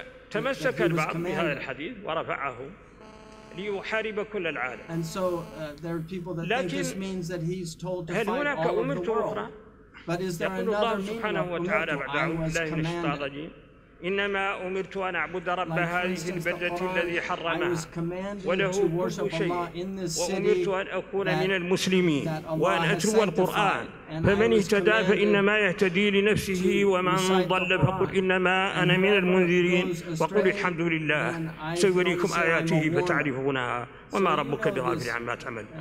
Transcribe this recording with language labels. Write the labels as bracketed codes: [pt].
[ar] تمسك البعض بهذا الحديث ورفعه ليحارب كل العالم. [en] And so there are people that think this means that he's told to fight all of the world. But is there another meaning? [ar] يقول الله سبحانه وتعالى بعد أعوذ بالله من الشيطان الرجيم: إنما أمرت أن أعبد رب هذه البلدة الذي حرمها وله كل شيء، وأمرت أن أكون من المسلمين وأن أتلو القرآن، فمن اهتدى فإنما يهتدي لنفسه ومن ضل فقل إنما أنا من المنذرين وقل الحمد لله سيريكم آياته فتعرفونها وما ربك بغافل عما تعمل.